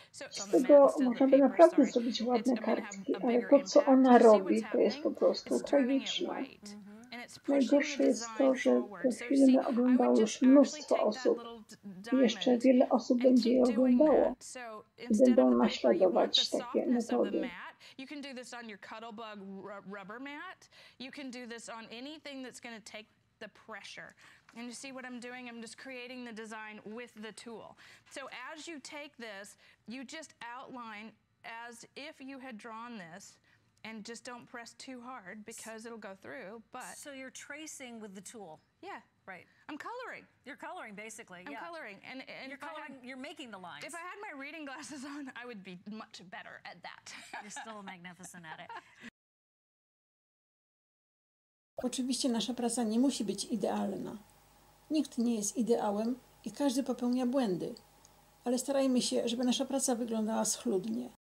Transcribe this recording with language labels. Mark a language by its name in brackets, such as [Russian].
[Polish] Z tego można by naprawdę zrobić ładne kartki, ale to, co ona robi, to jest po prostu tragiczne. Najgorsze jest to, że te filmy oglądało już mnóstwo osób i jeszcze wiele osób będzie je oglądało i będą naśladować takie metody. [English] You can do this on your Cuddlebug rubber mat. You can do this on anything that's going to take the pressure. And you see what I'm doing? I'm just creating the design with the tool. So as you take this, you just outline as if you had drawn this. And just don't press too hard because it'll go through. But so you're tracing with the tool. Yeah, right. I'm coloring. You're coloring basically. I'm yeah. coloring, and you're coloring. You're making the lines. If I had my reading glasses on, I would be much better at that. You're still magnificent at it. [Polish] Oczywiście nasza praca nie musi być idealna. Nikt nie jest ideałem i każdy popełnia błędy. Ale starajmy się, żeby nasza praca wyglądała schludnie.